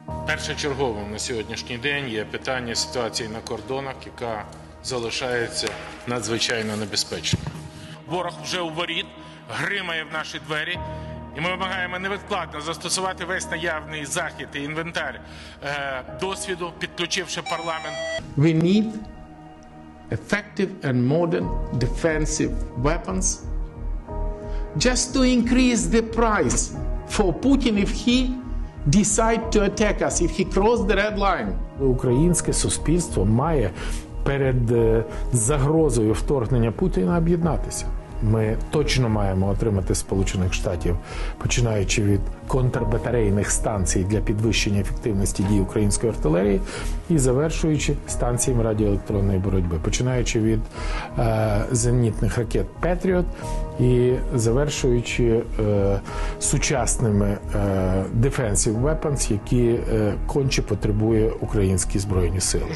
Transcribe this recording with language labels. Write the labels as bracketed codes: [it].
[uk] Першочерговим на сьогоднішній день є питання ситуації на кордонах, яка залишається надзвичайно небезпечною. Ворог вже у воріт, гримає в наші двері, і ми вимагаємо невідкладно застосувати весь наявний захід і інвентар досвіду, підключивши парламент. [en] We need effective and modern defensive weapons just to increase the price for Putin if he decide to attack us, if he cross the red line. [uk] Українське суспільство має перед загрозою вторгнення Путіна об'єднатися. Ми точно маємо отримати Сполучених Штатів, починаючи від контрбатарейних станцій для підвищення ефективності дій української артилерії і завершуючи станціями радіоелектронної боротьби, починаючи від зенітних ракет «Петріот» і завершуючи сучасними [en] defensive weapons, [uk] які конче потребує українські збройні сили.